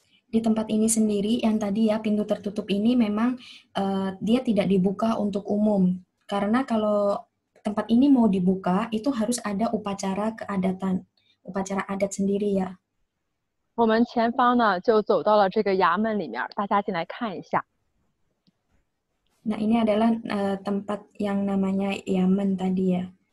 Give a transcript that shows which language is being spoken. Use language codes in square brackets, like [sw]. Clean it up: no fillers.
[id] Di tempat ini sendiri yang tadi ya, pintu tertutup ini memang dia tidak dibuka untuk umum. Karena kalau tempat ini mau dibuka, itu harus ada upacara keadatan, upacara adat sendiri ya. [zh] 我们前方呢就走到了这个衙门里面，大家进来看一下。 [id] Nah, ini adalah tempat yang namanya Yaman tadi ya.